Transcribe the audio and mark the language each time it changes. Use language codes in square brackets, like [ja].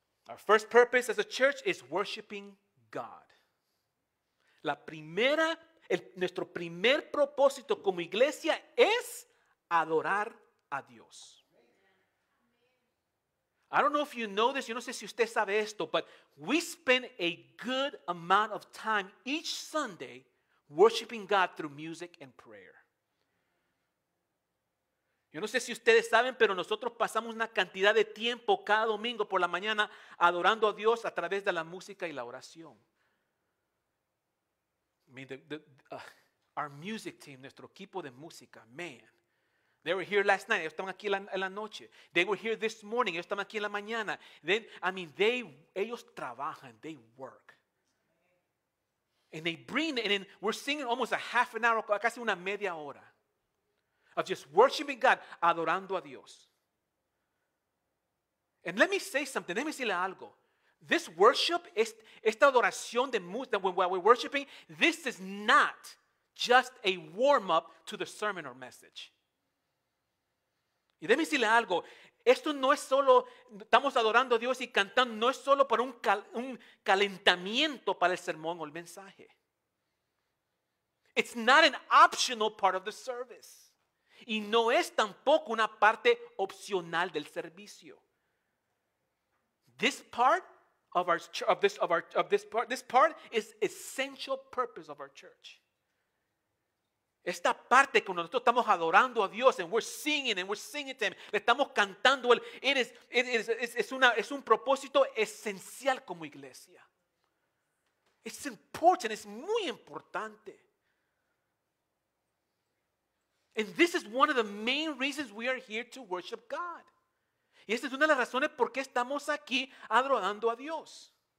[en] Our first purpose as a church is worshiping God. [es] Nuestro primer propósito como iglesia es adorar a Dios. [en] I don't know if you know this, [es] yo no sé si usted sabe esto, [en] but we spend a good amount of time each Sunday worshiping God through music and prayer. [es] Yo no sé si ustedes saben, pero nosotros pasamos una cantidad de tiempo cada domingo por la mañana adorando a Dios a través de la música y la oración. [en] I mean, our music team, [es] nuestro equipo de música, [en] man. They were here last night. [es] Ellos estaban aquí en la noche. [en] They were here this morning. [es] Ellos estaban aquí en la mañana. Ellos trabajan. [en] They work. And they bring, and then we're singing almost a half an hour, [es] casi una media hora, [en] of just worshiping God, [es] adorando a Dios. [en] And let me say something. Let me [es] decirle algo. [en] This worship, [es] esta adoración de música, [en] while we're worshiping, this is not just a warm-up to the sermon or message. [es] Y déjeme decirle algo, esto no es solo, estamos adorando a Dios y cantando, no es solo para un calentamiento para el sermón o el mensaje. [en] It's not an optional part of the service. [es] Y no es tampoco una parte opcional del servicio. [en] This part of our this part is essential purpose of our church. [es] Esta parte cuando nosotros estamos adorando a Dios [en] and we're singing to Him, [es] le estamos cantando, es un propósito esencial como iglesia. [en] It's important, it's [es] muy importante. [en] And this is one of the main reasons we are here to worship God. [es] Y esta es una de las razones por qué estamos aquí adorando a Dios.